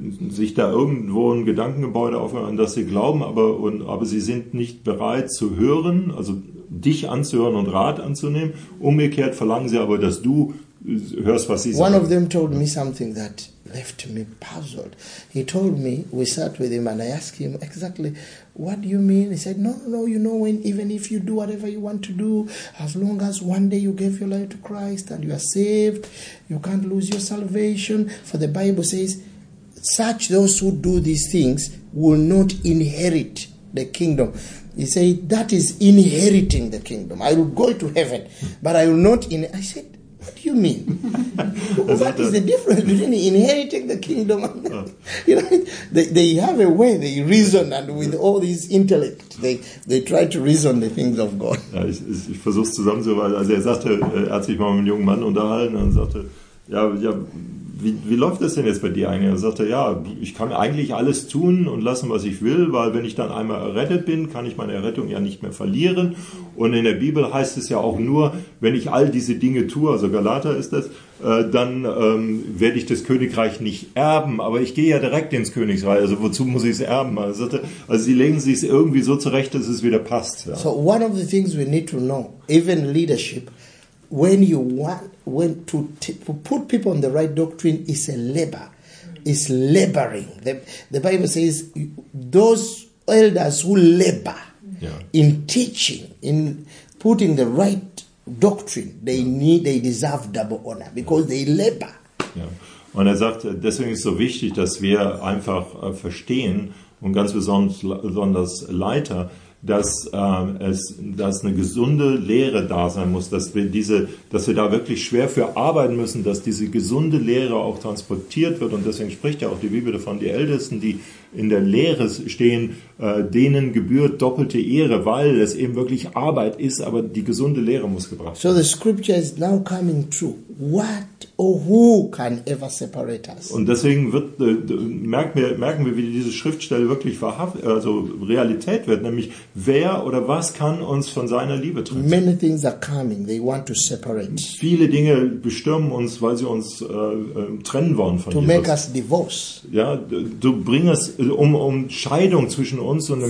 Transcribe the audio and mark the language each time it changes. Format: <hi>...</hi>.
<de>sich da irgendwo ein Gedankengebäude aufmachen, an das sie glauben, aber sie sind nicht bereit zu hören, also dich anzuhören und Rat anzunehmen. Umgekehrt verlangen sie aber, dass du hörst, was sie</de> <en>One</en> <de>sagen.</de> <en>One of them told me something that left me puzzled. He told me, we sat with him and I asked him exactly, what do you mean? He said, no, you know, even if you do whatever you want to do, as long as one day you gave your life to Christ and you are saved, you can't lose your salvation. For the Bible says, such those who do these things will not inherit the kingdom. He said, that is inheriting the kingdom. I will go to heaven, but I will not inherit. I said, what do you mean? What is the difference between inheriting the kingdom? You know, they have a way, they reason, and with all this intellect, they try to reason the things of God.</en> <de>Ja, ich versuche es zusammenzufassen. Also er sagte, er hat sich mal mit einem jungen Mann unterhalten und sagte, ja, Wie läuft das denn jetzt bei dir eigentlich? Er sagte, ja, ich kann eigentlich alles tun und lassen, was ich will, weil wenn ich dann einmal errettet bin, kann ich meine Errettung ja nicht mehr verlieren. Und in der Bibel heißt es ja auch nur, wenn ich all diese Dinge tue, also Galater ist das, dann werde ich das Königreich nicht erben. Aber ich gehe ja direkt ins Königreich, also wozu muss ich es erben? Er sagte, also sie legen sich es irgendwie so zurecht, dass es wieder passt. Ja.</de> <en>So one of the things we need to know, even leadership, when you want to put people on the right doctrine, is a labor. It's laboring. The Bible says those elders who labor in teaching, in putting the right doctrine, they deserve double honor because they labor. Yeah.</en> <de>Und er sagt, deswegen ist so wichtig, dass wir einfach verstehen, und ganz besonders Leiter, dass eine gesunde Lehre da sein muss, dass wir da wirklich schwer für arbeiten müssen, dass diese gesunde Lehre auch transportiert wird. Und deswegen spricht ja auch die Bibel davon, die Ältesten, die in der Lehre stehen, denen gebührt doppelte Ehre, weil es eben wirklich Arbeit ist, aber die gesunde Lehre muss gebracht werden.</de> <en>So the scripture is now coming true. What or who can ever separate us?</en> <de>Und deswegen merken wir, wie diese Schriftstelle wirklich Realität wird, nämlich wer oder was kann uns von seiner Liebe trennen?</de> <en>Many things are coming, they want to separate.</en> <de>Viele Dinge bestürmen uns, weil sie uns trennen wollen von</de> <en>Jesus. To make us divorce.</en> <de>Ja, du bringst um Scheidung zwischen uns und dem</de>